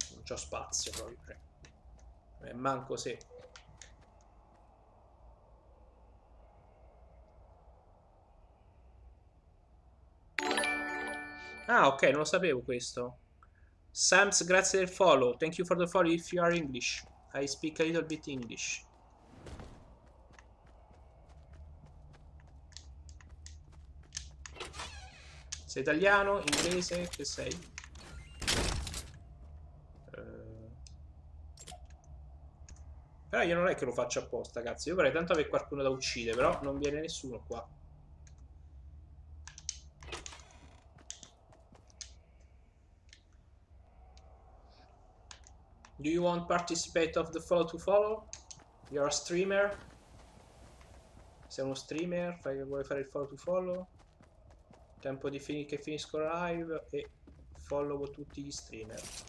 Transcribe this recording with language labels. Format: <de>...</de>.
<it>c'ho spazio proprio. Manco se. Ah, ok, non lo sapevo questo. Sams, grazie del follow.</it> <en>Thank you for the follow if you are English. I speak a little bit English.</en> <it>Sei italiano, inglese, che sei? Però io non è che lo faccio apposta, cazzo. Io vorrei tanto avere qualcuno da uccidere, però non viene nessuno qua.</it> <en>Do you want participate of the follow to follow? You're a streamer?</en> <it>Sei uno streamer? Vuoi fare il follow to follow? Tempo di finire che finisco live e follow tutti gli streamer.</it>